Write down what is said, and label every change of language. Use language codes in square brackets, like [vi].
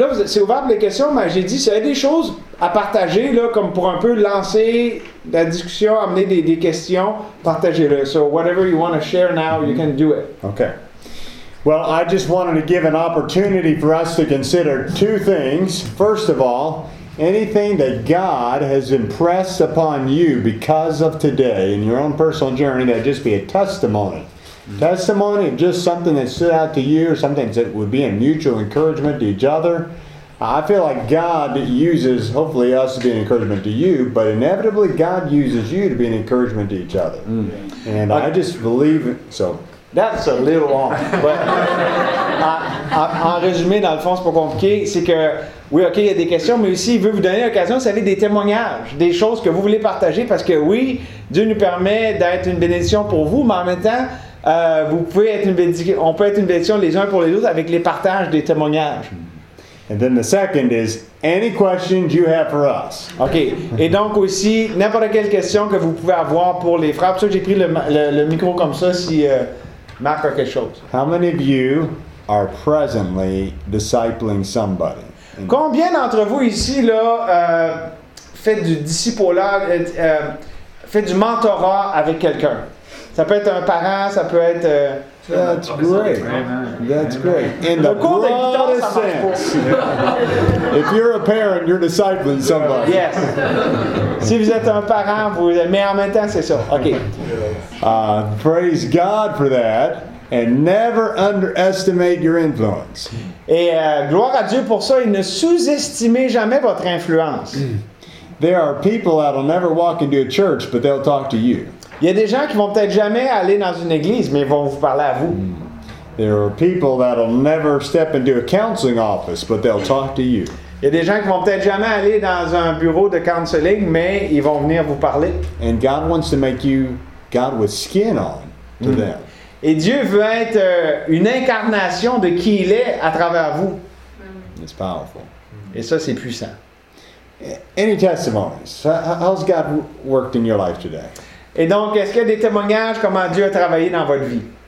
[fr] Là, c'est ouvert pour les questions, mais j'ai dit, s'il y a des choses à partager, là, comme pour un peu lancer la discussion, amener des questions, partagez-le. [en] So, whatever you want to share now, you can do it. Okay. Well, I just wanted to give an opportunity for us to consider two things. First of all, anything that God has impressed upon you because of today in your own personal journey, that'd just be a testimony. Mm-hmm. Testimony of just something that stood out to you or something that would be a mutual encouragement to each other. I feel like God uses, hopefully, us to be an encouragement to you, but inevitably God uses you to be an encouragement to each other. Mm-hmm. And I just believe it, so. That's a little long, but [fr] en résumé, dans le fond, c'est pas compliqué, c'est que, oui, OK, il y a des questions, mais aussi, il veut vous donner l'occasion, vous savez, des témoignages, des choses que vous voulez partager, parce que oui, Dieu nous permet d'être une bénédiction pour vous, mais en même temps, vous pouvez être une on peut être une bénédiction les uns pour les autres avec les partages des témoignages. [en] And then the second is, any questions you have for us. OK. [fr] Et donc aussi, n'importe quelle question que vous pouvez avoir pour les frères. Pour ça, j'ai pris le micro comme ça si Marc a quelque chose. [en] How many of you are presently discipling somebody? [fr] Combien d'entre vous ici, là, faites du discipulat, faites du mentorat avec quelqu'un? Ça peut être un parent, ça peut être... [en] That's great. In the broadest sense. If you're a parent, you're discipling somebody. Yes. [fr] Si vous êtes un parent, vous... Mais en même temps, c'est ça. OK. [en] Praise God for that. And never underestimate your influence. [fr] Et gloire à Dieu pour ça. Et ne sous-estimez jamais votre influence. [en] There are people that will never walk into a church, but they'll talk to you. [fr] Il y a des gens qui vont peut-être jamais aller dans une église, mais ils vont vous parler à vous. [en] There are people that'll never step into a counseling office, but they'll talk to you. [fr] Il y a des gens qui vont peut-être jamais aller dans un bureau de counseling, mais ils vont venir vous parler. [en] And God wants to make you God with skin on to them. [fr] Et Dieu veut être une incarnation de qui il est à travers vous. [en] It's powerful. [fr] Et ça, c'est puissant. [en] Any testimonies? How's God worked in your life today? [fr] Et donc, est-ce qu'il y a des témoignages comment Dieu a travaillé dans votre vie?